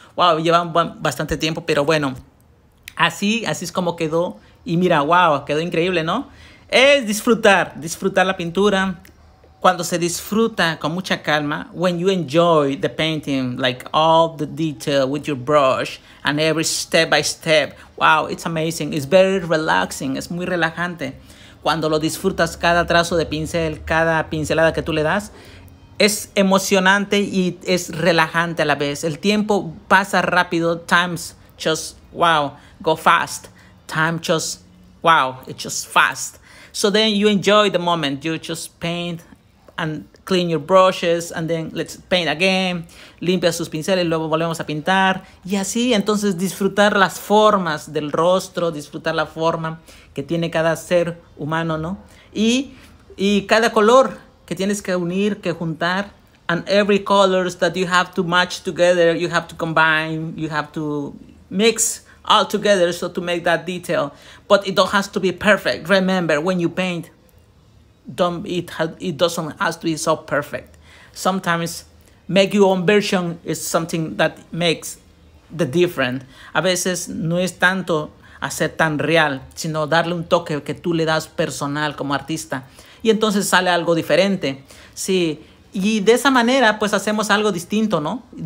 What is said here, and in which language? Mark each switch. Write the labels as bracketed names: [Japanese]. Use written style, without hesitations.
[Spanish] Wow, lleva bastante tiempo, pero bueno, así es como quedó. Y mira, wow, quedó increíble, ¿no? Es disfrutar la pintura. Cuando se disfruta con mucha calma, [English] when you enjoy the painting, like all the detail with your brush and every step by step, wow, it's amazing. It's very relaxing. [Spanish] Es muy relajante. Cuando lo disfrutas cada trazo de pincel, cada pincelada que tú le das, es emocionante y es relajante a la vez. El tiempo pasa rápido. [English] Times just, wow, go fast. Time just, wow, it's just fast. So then you enjoy the moment. You just paint and clean your brushes, and then let's paint again. [Spanish] Limpia sus pinceles, luego volvemos a pintar. Y así, entonces, disfrutar las formas del rostro, disfrutar la forma que tiene cada ser humano, ¿no? Y cada color que tienes que unir, que juntar. [English] And every colors that you have to match together, you have to combine, you have to mix all together so to make that detail. But it don't has to be perfect. Remember, when you paint, it doesn't have to be so perfect. Sometimes make your own version is something that makes the difference. [Spanish] A veces no es tanto hacer tan real, sino darle un toque que tú le das personal como artista. Y entonces sale algo diferente. Sí. Y de esa manera, pues hacemos algo distinto, ¿no?